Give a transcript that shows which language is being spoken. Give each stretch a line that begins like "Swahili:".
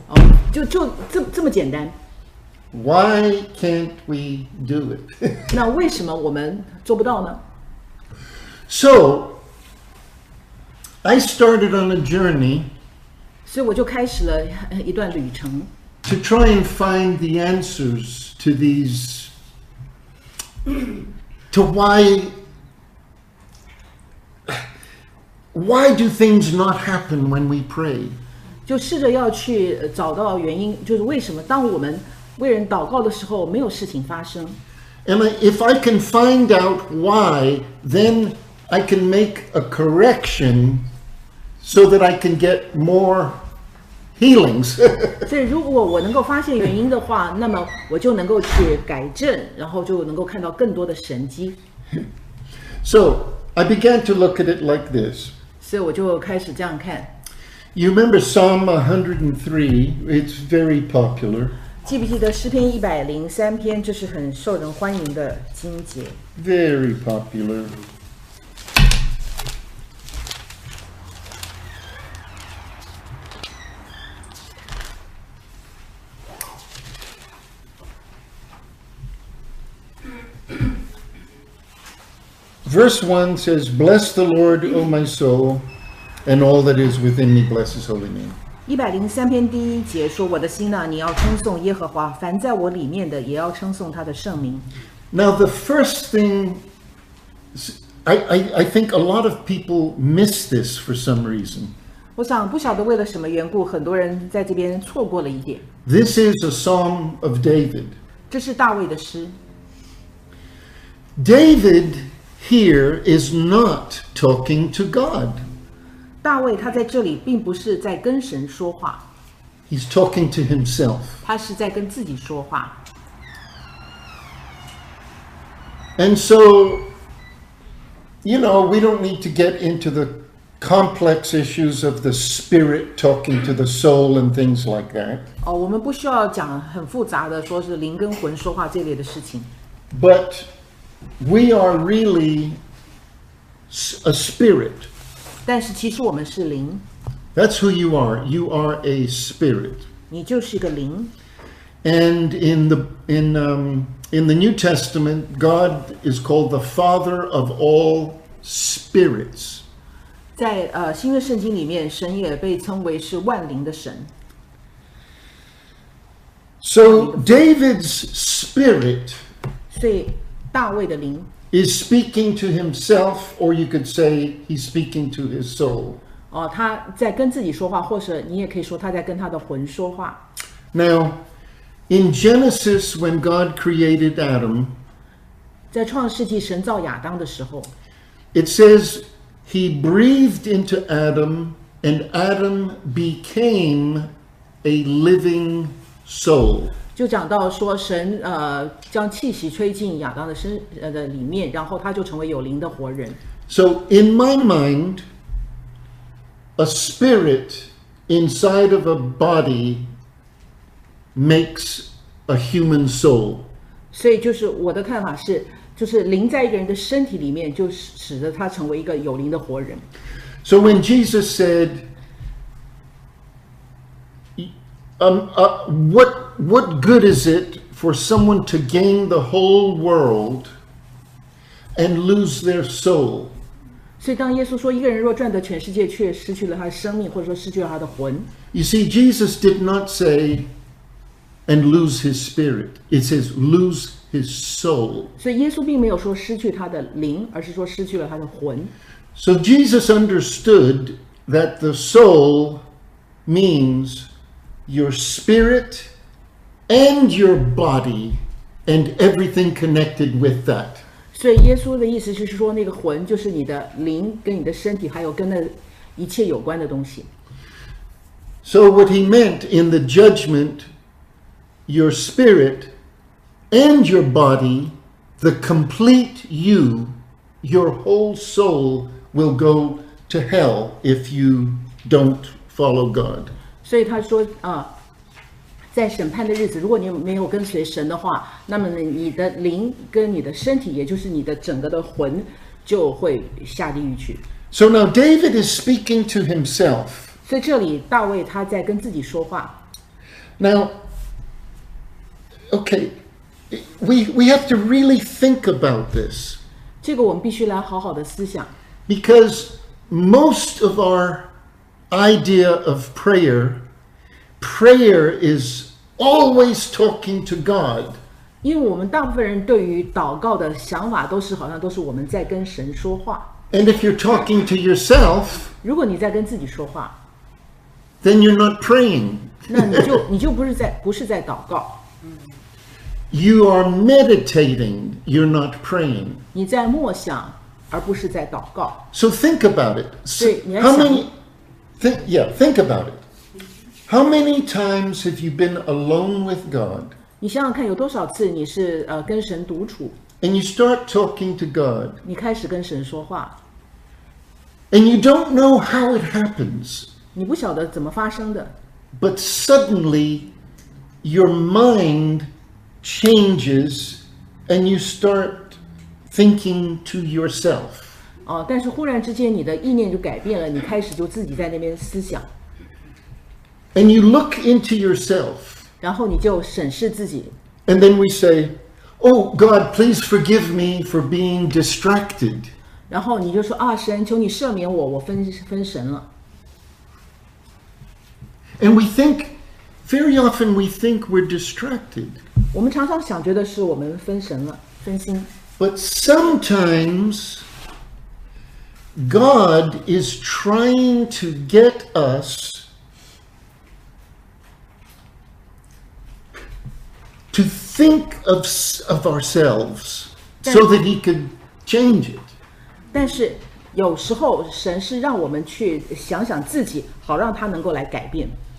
Chinese: 哦，就这么简单。
English: Why can't we do it?
Chinese: 那为什么我们做不到呢？
English: So, I started on a journey.
Chinese: 所以我就开始了一段旅程。
English: To try and find the answers to these, to why do things not happen when we pray?
Chinese: 就试着要去找到原因，就是为什么当我们为人祷告的时候，没有事情发生。
English: And if I can find out why, then I can make a correction so that I can get more healings.
Chinese: 所以如果我能够发现原因的话，那么我就能够去改正，然后就能够看到更多的神迹。
English: So, I began to look at it like this.
Chinese: 所以我就开始这样看。
English: You remember Psalm 103? It's very popular.
Chinese: 记不记得诗篇103篇，这是很受人欢迎的经节。
English: Very popular. Verse 1 says, Bless the Lord, O my soul, and all that is within me, bless his holy name.
Chinese: 103篇第一节说，我的心啊，你要称颂耶和华，凡在我里面的也要称颂他的圣名。
English: Now the first thing, I think a lot of people miss this for some reason.
Chinese: 我想不晓得为了什么缘故，很多人在这边错过了一点。
English: This is a Psalm of David.
Chinese: 这是大卫的诗。
English: David... Here is not talking to God.
Chinese: 大卫他在这里并不是在跟神说话。
English: He's talking to himself.
Chinese: 他是在跟自己说话。
English: And so, you know, we don't need to get into the complex issues of the spirit talking to the soul and things like that.
Chinese: 哦，我们不需要讲很复杂的，说是灵跟魂说话这类的事情。
English: But... We are really a spirit.
Chinese: 但是其实我们是灵。
English: That's who you are. You are a spirit.
Chinese: 你就是个灵。
English: And in the New Testament, God is called the Father of all spirits.
Chinese: 在新约圣经里面，神也被称为是万灵的神。
English: So David's spirit.
Chinese: 所以大卫的灵
English: is speaking to himself, or you could say he's speaking to his soul.
Chinese: 哦，他在跟自己说话，或者你也可以说他在跟他的魂说话。
English: Now, in Genesis, when God created Adam,
Chinese: 在创世纪神造亚当的时候
English: ，it says he breathed into Adam, and Adam became a living soul.
Chinese: 就讲到说神将气息吹进亚当的身的里面，然后他就成为有灵的活人。
English: So in my mind, a spirit inside of a body makes a human soul.
Chinese: 所以就是我的看法是，就是灵在一个人的身体里面，就使得他成为一个有灵的活人。
English: So when Jesus said, What good is it for someone to gain the whole world and lose their soul?
Chinese: 所以当耶稣说一个人若赚得全世界却失去了他的生命或者说失去了他的魂
English: You see, Jesus did not say, and lose his spirit. It says lose his soul.
Chinese: 所以耶稣并没有说失去他的灵，而是说失去了他的魂。
English: So Jesus understood that the soul means your spirit and your body and everything connected with that.
Chinese: 所以耶稣的意思就是说，那个魂就是你的灵跟你的身体，还有跟那一切有关的东西。
English: So what he meant in the judgment, your spirit and your body, the complete you, your whole soul will go to hell if you don't follow God.
Chinese: 所以他说啊，在审判的日子，如果你没有跟随神的话，那么呢，你的灵跟你的身体，也就是你的整个的魂，就会下地狱去。
English: So now David is speaking to himself.
Chinese: 所以这里大卫他在跟自己说话。
English: Now, okay, we have to really think about this.
Chinese: 这个我们必须来好好的思想。
English: Because most of our idea of prayer, prayer is always talking to God.
Chinese: 因为我们大部分人对于祷告的想法都是好像都是我们在跟神说话。
English: And if you're talking to yourself,
Chinese: 如果你在跟自己说话。
English: Then you're not praying.
Chinese: 那你就不是在不是在祷告。
English: You are meditating. You're not praying.
Chinese: 你在默想，而不是在祷告。
English: So think about it.
Chinese: 对，你要想。
English: How many? Think about it. How many times have you been alone with God?
Chinese: 你想想看，有多少次你是跟神独处
English: ？And you start talking to God.
Chinese: 你开始跟神说话。
English: And you don't know how it happens.
Chinese: 你不晓得怎么发生的。
English: But suddenly, your mind changes, and you start thinking to yourself.
Chinese: 哦，但是忽然之间，你的意念就改变了，你开始就自己在那边思想。
English: And you look into yourself.
Chinese: 然后你就审视自己。
English: And then we say, "Oh God, please forgive me for being distracted."
Chinese: 然后你就说啊，神，求你赦免我，我分神了。
English: And we think, very often we think we're distracted.
Chinese: 我们常常想觉得是我们分神了，分心。
English: But sometimes God is trying to get us to think of ourselves so that he could change it.
Chinese: 但是有时候神是让我们去想想自己，好让他能够来改变。